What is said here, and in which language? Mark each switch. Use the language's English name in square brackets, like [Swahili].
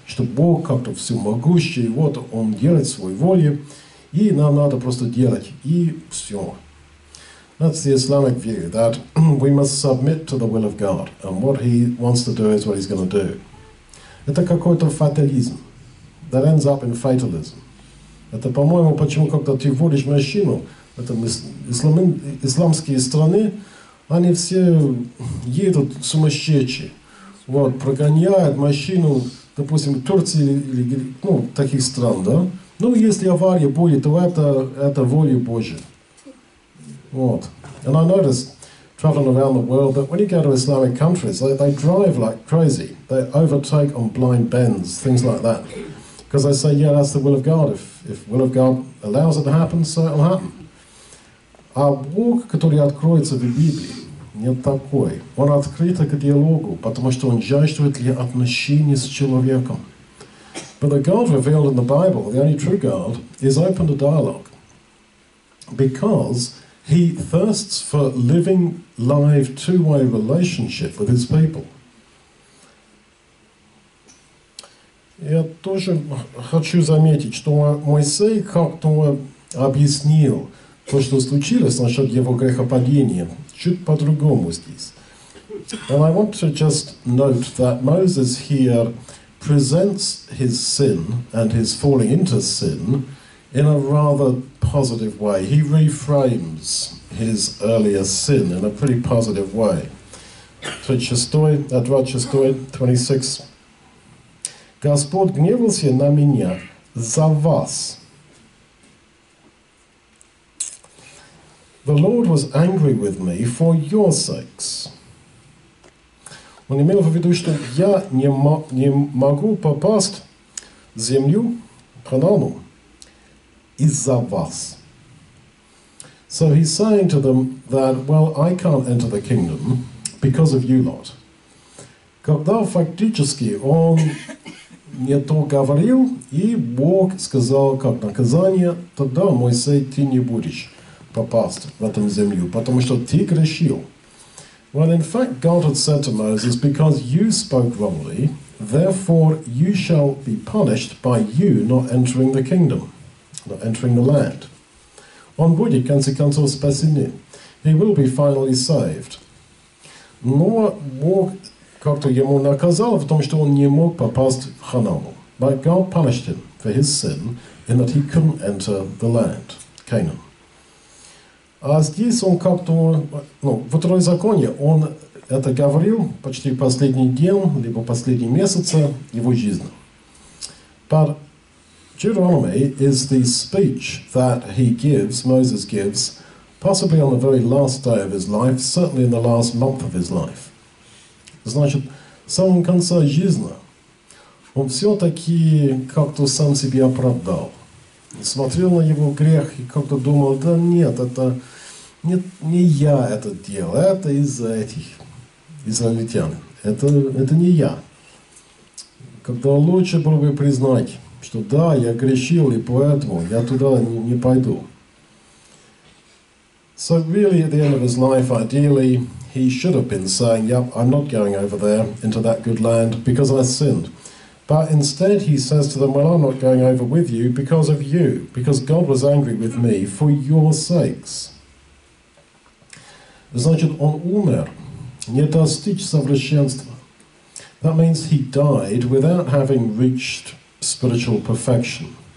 [Russian] Что Бог как-то всемогущий, вот Он делает свою волю, и нам надо просто делать, и все. [English] That's the Islamic view, that we must submit to the will of God, and what He wants to do is what He's going to do. [Russian] Это какой-то фатализм. [English] That ends up in fatalism. [Russian] Это, по-моему, почему, когда ты водишь машину, это исламские страны, они все едут сумасшедшие. Вот, прогоняют машину, допустим, в Турции или ну, таких стран, да? Ну, если авария будет, то это воля Божия. Вот. [English] And I noticed, traveling around the world, that when you go to Islamic countries, they drive like crazy. They overtake on blind bends, things like that. Because they say, yeah, that's the will of God. If will of God allows it to happen, so it will happen. [Russian] А Бог, который откроется в Библии, не такой. Он открыт к диалогу, потому что он жаждет ли отношения с человеком. [English] But the God revealed in the Bible, the only true God, is open to dialogue. Because He thirsts for living live two-way relationship with His people. [Russian] Я тоже хочу заметить, что Моисей как-то объяснил то, что случилось насчет его грехопадения. Чуть по-другому здесь. [English] And I want to just note that Moses here presents his sin and his falling into sin in a rather positive way. He reframes his earlier sin in a pretty positive way. [Russian] Творчество 26. Господь гневался на меня за вас. [English] The Lord was angry with me for your sakes. [Russian] Он имел в виду, что я не могу попасть в землю Ханану из-за вас. [English] So he's saying to them that, well, I can't enter the kingdom because of you lot. [Russian] Когда фактически он не то говорил, и Бог сказал как наказание, тогда Моисей ты не будешь попасть в эту землю, потому что ты грешил. [English] Well, in fact, God had said to Moses, because you spoke wrongly, therefore you shall be punished by you not entering the kingdom, not entering the land. [Russian] Он будет, в конце концов, спасены. [English] He will be finally saved. [Russian] Но Бог как-то ему наказал, потому что он не мог попасть в Ханаан. [English] But God punished him for his sin in that he couldn't enter the land, Canaan. [Russian] А здесь он как-то, ну, в Второзаконе он это говорил почти последний день, либо последний месяц его жизни. [English] But Deuteronomy is the speech that he gives, Moses gives, possibly on the very last day of his life, certainly in the last month of his life. [Russian] Значит, в самом конце жизни он все-таки как-то сам себя оправдал. Смотрел на его грех и как-то думал, да нет, это... Нет, не я это делал, это из-за этих израильтян. Это не я. Когда лучше было бы признать, что да, я грешил, и поэтому я туда не пойду. [English] So really, at the end of his life, ideally, he should have been saying, yep, I'm not going over there into that good land because I sinned. But instead he says to them, well, I'm not going over with you because of you, because God was angry with me for your sakes. [Russian] Значит, он умер, не достиг совершенства. [English] That means he died without having reached spiritual perfection.